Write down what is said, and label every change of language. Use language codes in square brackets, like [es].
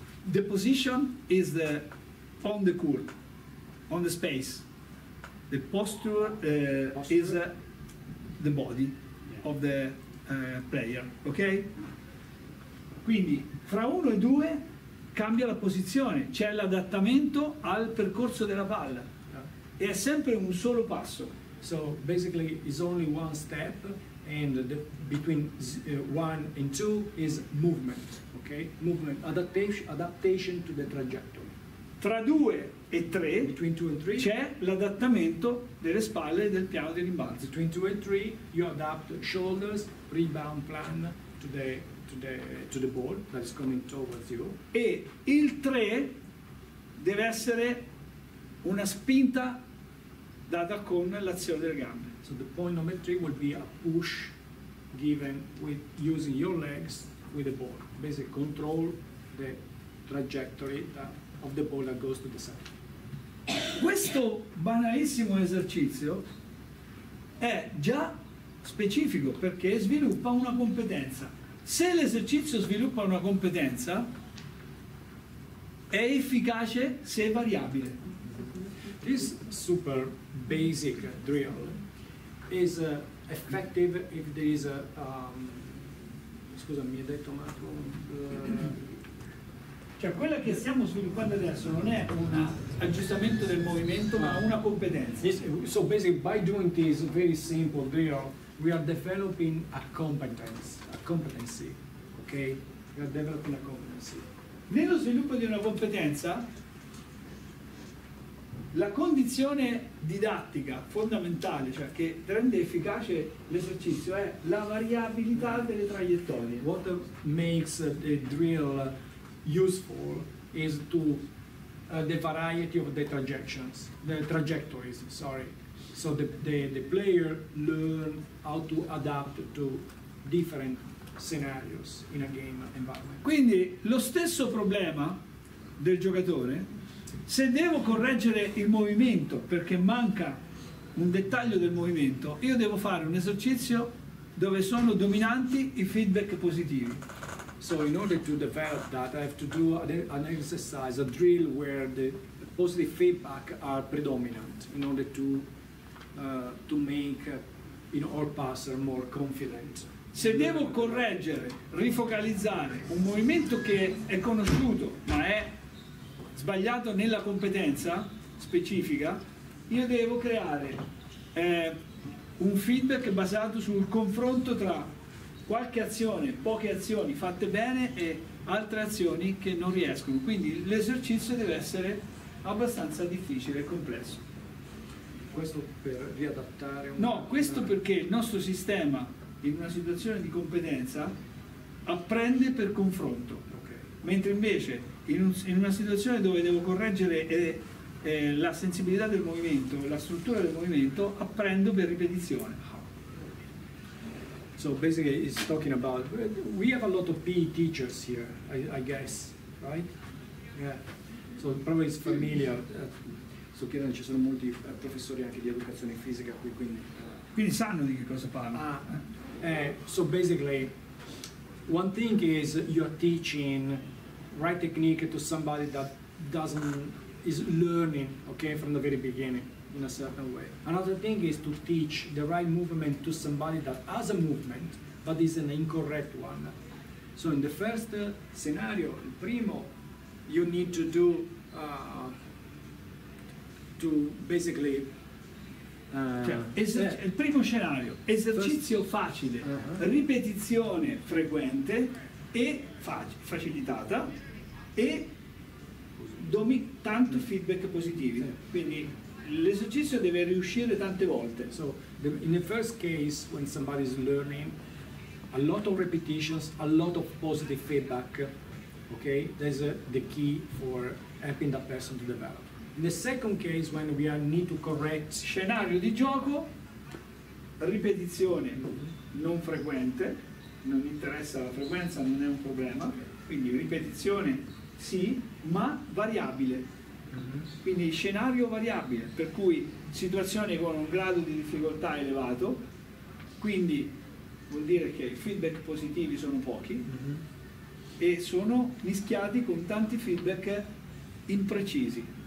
[en] The position is the on the court, on the space. The posture is the body, yeah, of the player, ok? [it] Quindi fra 1 e 2 cambia la posizione, c'è l'adattamento al percorso della palla, yeah, e è sempre un solo passo. [en] So basically it's only one step, and between 1 and 2 is movement, ok? Movement, adaptation to the trajectory. [it] Tra 2 e 3 c'è l'adattamento delle spalle e del piano di rimbalzo. [en] Between 2 and 3 you adapt shoulders, rebound plan to the ball that is coming towards you. [it] E il 3 deve essere una spinta data con l'azione delle gambe. [en] So the point number 3 will be a push given with using your legs with the ball. Basically control the trajectory of the ball that goes to the center. [it] Questo banalissimo esercizio è già specifico perché sviluppa una competenza. Se l'esercizio sviluppa una competenza, è efficace se è variabile. [en] This super basic drill is effective if there is a [it] scusa, mi ha detto Marco. Cioè, quella che stiamo sviluppando adesso non è un aggiustamento del movimento, ma una competenza. [en] So basically, by doing this very simple drill, we are developing a competence, a competency, ok? We are developing a competency. [it] Nello sviluppo di una competenza, la condizione didattica fondamentale, cioè che rende efficace l'esercizio, è la variabilità delle traiettorie. [en] What makes the drill useful is to the variety of the trajectories. Sorry. So the player learn how to adapt to different scenarios in a game environment. [it] Quindi lo stesso problema del giocatore, se devo correggere il movimento perché manca un dettaglio del movimento, io devo fare un esercizio dove sono dominanti i feedback positivi. [en] So in order to develop that, I have to do an exercise, a drill where the positive feedback are predominant in order to make our passer more confident. [it] Se devo correggere, rifocalizzare un movimento che è conosciuto ma è sbagliato nella competenza specifica, io devo creare un feedback basato sul confronto tra qualche azione, poche azioni fatte bene e altre azioni che non riescono. Quindi l'esercizio deve essere abbastanza difficile e complesso. Questo per riadattare un... No, questo perché il nostro sistema in una situazione di competenza apprende per confronto. Okay. Mentre invece in una situazione dove devo correggere la sensibilità del movimento, la struttura del movimento, apprendo per ripetizione. [en] So basically it's talking about, we have a lot of PE teachers here, I guess, right? Yeah. So probably it's familiar. [it] So chiaramente ci sono molti professori anche di educazione fisica qui, quindi. Quindi sanno di che cosa parlo. [en] So basically, one thing is you're teaching right technique to somebody that is learning, okay, from the very beginning in a certain way. Another thing is to teach the right movement to somebody that has a movement but is an incorrect one. So in the first scenario, [it] il primo, [en] you need to do to basically. [it] Il primo scenario, esercizio [en] first, [it] facile, uh-huh. Ripetizione frequente e facilitata e tanto feedback positivi. Yeah. Quindi l'esercizio deve riuscire tante volte. [en] So in the first case, when somebody is learning, a lot of repetitions, a lot of positive feedback, okay, that's the key for helping that person to develop. In the second case, when we need to correct [it] scenario di gioco, ripetizione non frequente, non interessa la frequenza, non è un problema, quindi ripetizione sì, ma variabile, quindi scenario variabile, per cui situazione con un grado di difficoltà elevato, quindi vuol dire che i feedback positivi sono pochi e sono mischiati con tanti feedback imprecisi.